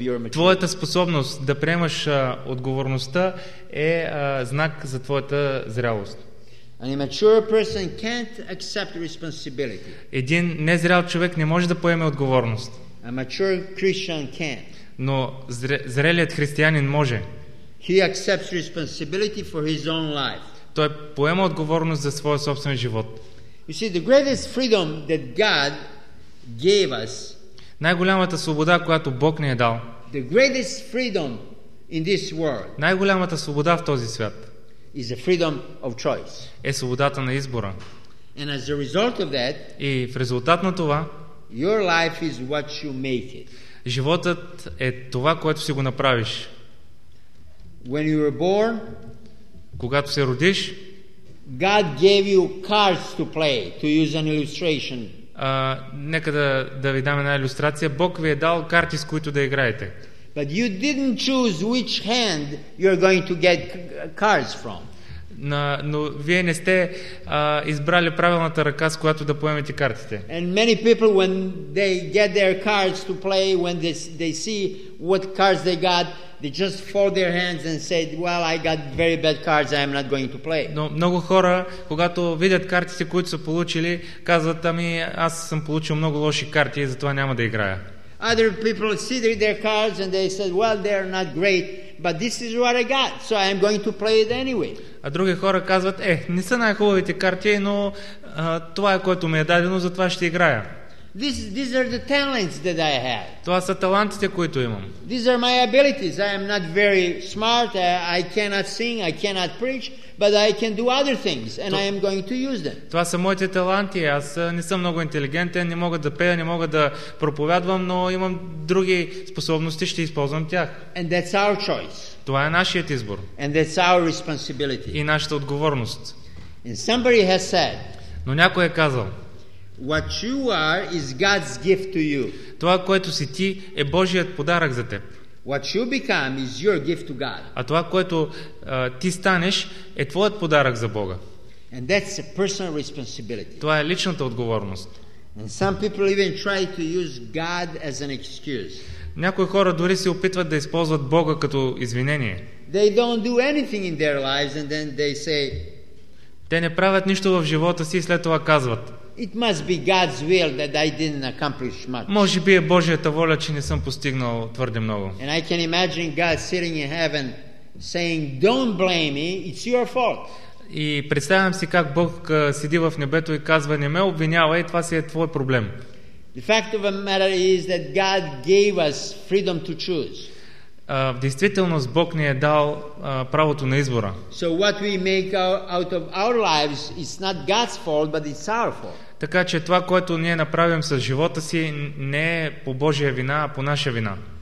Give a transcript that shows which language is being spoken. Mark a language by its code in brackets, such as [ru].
[bg] Твоята способност да приемаш отговорността е знак за твоята зрялост. [en] An immature person can't accept responsibility. [bg] Един незрял човек не може да поеме отговорност. [en] A mature Christian can. [bg] Но зрелият християнин може. [en] He accepts responsibility for his own life. [bg] Той поема отговорност за своя собствен живот. [en] You see, the greatest freedom that God gave us. [bg] Най-голямата свобода, която Бог ни е дал. [en] The greatest freedom in this world. [bg] Най-голямата свобода в този свят. [en] Is the freedom of choice. [bg] Е свободата на избора. [en] And as a result of that. [bg] И в резултат на това. [en] Your life is what you make it. [bg] Животът е това, което си го направиш. [en] When you were born. [bg] Когато се родиш, [en] God gave you cards to play, to use an illustration. [bg] Нека да ви дам една илюстрация. Бог ви е дал карти, с които да играете. [en] But you didn't choose which hand you're going to get cards from. [bg] но вие не сте избрали правилната ръка, с която да поемете картите. [en] And many people when they get their cards to play, when they see what cards they got, they just fold their hands and say, well, I got very bad cards, I am not going to play. [bg] Но много хора, когато видят картите, които са получили, казват, ами аз съм получил много лоши карти и затова няма да играя. [en] Other people see their cards and they said, well, they are not great, but this is what I got, so I am going to play it anyway. [bg] А други хора казват, не са най-хубавите карти, но това е което ми е дадено, затова ще играя. [en] These are the talents that I have. [bg] Това са талантите, които имам. [en] These are my abilities. I am not very smart. I cannot sing, I cannot preach, but I can do other things and I am going to use them. [bg] Това са моите таланти. Аз не съм много интелигентен, не мога да пея, не мога да проповядвам, но имам други способности, ще използвам тях. [en] And that's our choice. [bg] Това е нашият избор. [en] And that's our responsibility. [bg] И нашата отговорност. [en] And somebody has said. [bg] Но някой е казал. [en] What you are is God's gift to you. [bg] Това, което си ти, е Божият подарък за теб. [en] What you become is your gift to God. [bg] А това, което ти станеш, е твоят подарък за Бога. [en] And that's a personal responsibility. [bg] Това е личната отговорност. [en] And some people even try to use God as an excuse. [bg] Някои хора дори се опитват да използват Бога като извинение. [en] They don't do anything in their lives and then they say. [bg] Те не правят нищо в живота си и след това казват. [en] It must be God's will that I didn't accomplish much. [bg] Може би е Божията воля, че не съм постигнал твърде много. [en] And I can imagine God sitting in heaven saying, "Don't blame me, it's your fault." [bg] И представям си как Бог седи в небето и казва: "Не ме обвинявай, това си е твой проблем." [en] The fact of the matter is that God gave us freedom to choose. [bg] В действителност Бог ни е дал правото на избора. [en] So what we make out of our lives is not God's fault, but it's our fault. [bg] Така че това, което ние направим с живота си, не е по Божия вина, а по наша вина.